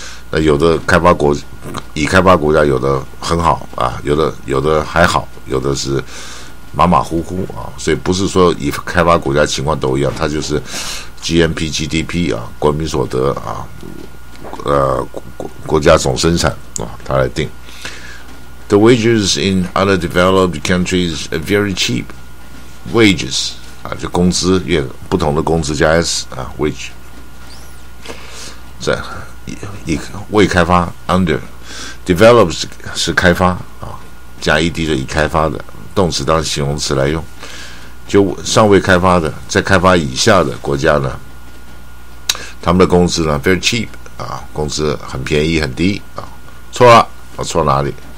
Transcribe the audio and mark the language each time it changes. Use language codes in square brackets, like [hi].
[zh] 那有的开发国已开发国家有的很好啊，有的还好，有的是马马虎虎啊。所以不是说已开发国家情况都一样，它就是 GNP、GDP 啊，国民所得啊，国家总生产啊，它来定。 [en] The wages in other developed countries are very cheap. [zh] Wages 啊，就工资，也不同的工资加 s 啊 ，wage。这一未开发 under developed 是开发啊，加 ed 的已开发的动词当形容词来用，就尚未开发的，在开发以下的国家呢，他们的工资呢 very cheap 啊，工资很便宜很低啊，错了，我错哪里？